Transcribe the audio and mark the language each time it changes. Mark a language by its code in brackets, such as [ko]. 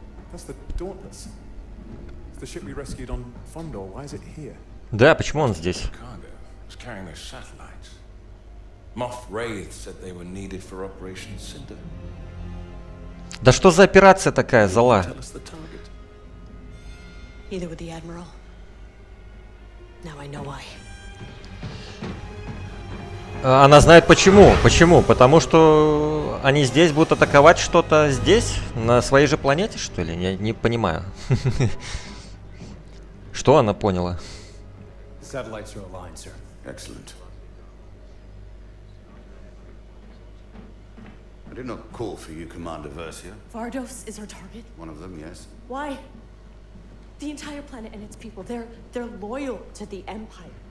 [en] That's the Dauntless. The ship we rescued on Fondor, why is it here? [ru] Да, почему он здесь? [en] Cargo. It's carrying their satellites. Moff Wraith said they were needed for Operation Cinder. [ru] Да что за операция такая, зала? [en] Neither would the Admiral. Now I know why. [ru] Она знает почему. Почему? Потому что они здесь будут атаковать что-то здесь? На своей же планете, что ли? Я не понимаю. Что она поняла? [en] Satellites are aligned, sir. Excellent. I did not call for you, Commander Versia. Vardos is our target? One of them, yes. Why? The entire planet and its people, they're loyal to the Empire.